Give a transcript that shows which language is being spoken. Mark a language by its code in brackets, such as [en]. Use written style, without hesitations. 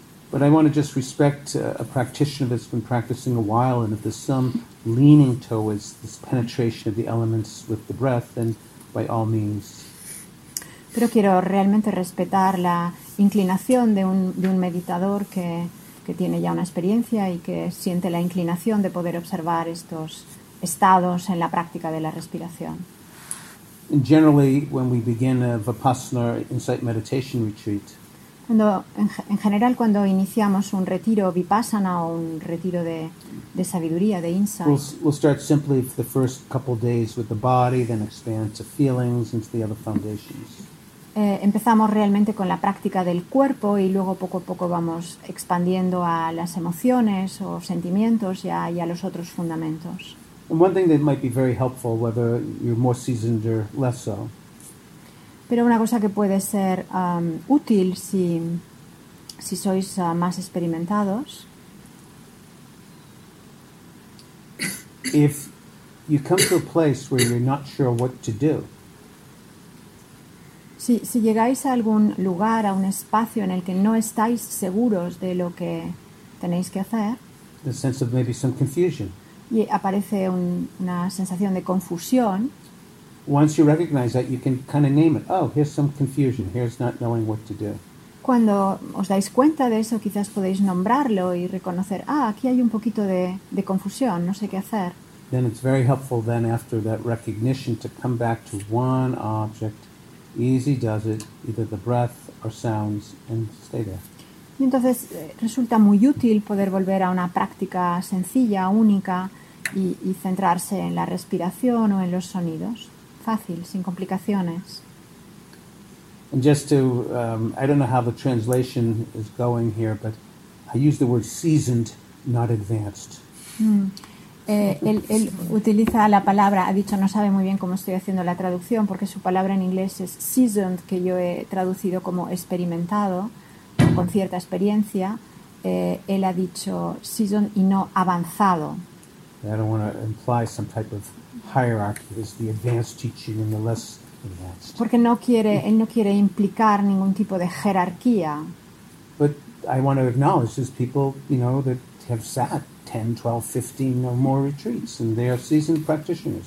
[en] But I want to just respect a practitioner that's been practicing a while, and if there's some leaning towards this penetration of the elements with the breath, then by all means. [es] Pero quiero realmente respetar la inclinación de un meditador que tiene ya una experiencia y que siente la inclinación de poder observar estos estados en la práctica de la respiración. [en] And generally, when we begin a Vipassana insight meditation retreat, [es] cuando iniciamos un retiro Vipassana o un retiro de sabiduría, de insight, [en] we'll start simply for the first couple of days with the body, then expand to feelings and to the other foundations. [es] Empezamos realmente con la práctica del cuerpo y luego poco a poco vamos expandiendo a las emociones o sentimientos y a los otros fundamentos. [en] And one thing that might be very helpful, whether you're more seasoned or less so. [es] Pero una cosa que puede ser útil si sois más experimentados. [en] If you come to a place where you're not sure what to do. [es] Si llegáis a algún lugar, a un espacio en el que no estáis seguros de lo que tenéis que hacer, [en] the sense of maybe some confusion. [es] Y aparece una sensación de confusión, [en] once you recognize that, you can kind of name it. Oh, here's some confusion. Here's not knowing what to do. [es] Cuando os dais cuenta de eso, quizás podéis nombrarlo y reconocer, aquí hay un poquito de confusión, no sé qué hacer. [en] Then it's very helpful then after that recognition to come back to one object. Easy does it, either the breath or sounds, and stay there. [es] Y entonces resulta muy útil poder volver a una práctica sencilla, única, y centrarse en la respiración o en los sonidos. Fácil, sin complicaciones. [en] And just to, I don't know how the translation is going here, but I use the word seasoned, not advanced. [es] Él utiliza la palabra, ha dicho, no sabe muy bien cómo estoy haciendo la traducción, porque su palabra en inglés es seasoned, que yo he traducido como experimentado, con cierta experiencia. Él ha dicho seasoned y no avanzado. [en] I don't want to imply some type of hierarchy is the advanced teaching and the less advanced. [es] Porque él no quiere implicar ningún tipo de jerarquía. [en] But I want to acknowledge there's people, you know, that have sat 10, 12, 15 or more retreats and they are seasoned practitioners.